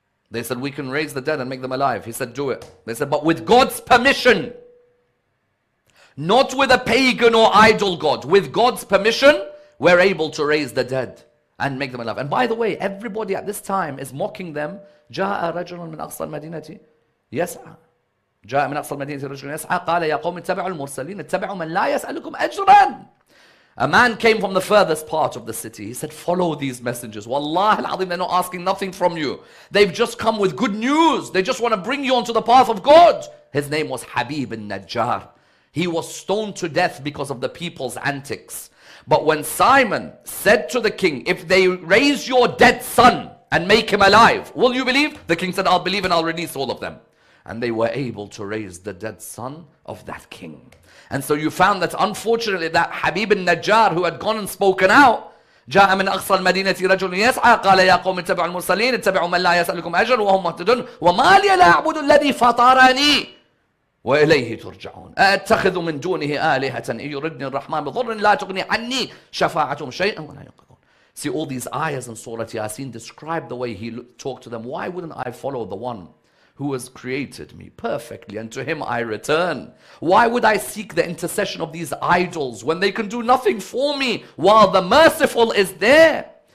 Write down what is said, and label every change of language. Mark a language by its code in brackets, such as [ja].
[en] They said, we can raise the dead and make them alive. He said, do it. They said, but with God's permission. Not with a pagan or idol god. With God's permission, we're able to raise the dead and make them alive. And by the way, everybody at this time is mocking them. [ar] Ja'a rajulun min aqsa al-madinati. Yes. جاء من أقصى المدينة رجل يسعى قال يا قوم اتبعوا المرسلين اتبعوا من لا يسألكم أجرا. [en] A man came from the furthest part of the city. He said, follow these messengers. [ar] Wallah al-Azim, [en] they're not asking nothing from you. They've just come with good news. They just want to bring you onto the path of God. His name was Habib ibn Najjar. He was stoned to death because of the people's antics. But when Simon said to the king, if they raise your dead son and make him alive, will you believe? The king said, I'll believe and I'll release all of them. And they were able to raise the dead son of that king. And so you found that unfortunately that Habib al-Najjar who had gone and spoken out, [ar] جَاءَ مِنْ أَقْصَى الْمَدِينَةِ رَجُلٌ يَسْعَى قَالَ يَا قَوْمِ اتَّبِعُوا الْمُرْسَلِينَ اتَّبِعُوا مَنْ لَا يَسْأَلُكُمْ أَجْرًا وَهُمْ مُهْتَدُونَ وَمَا لِيَ لَا أَعْبُدُ الَّذِي فَطَرَنِي وإليه ترجعون. أأتخذ من دونه آلهة إن يردني الرحمن بضر لا تغني عني شفاعتهم شيئا ولا ينقذون. [en] See all these ayahs in Surah Yasin describe the way he talked to them. Why wouldn't I follow the one who has created me perfectly and to him I return? Why would I seek the intercession of these idols when they can do nothing for me while the merciful is there?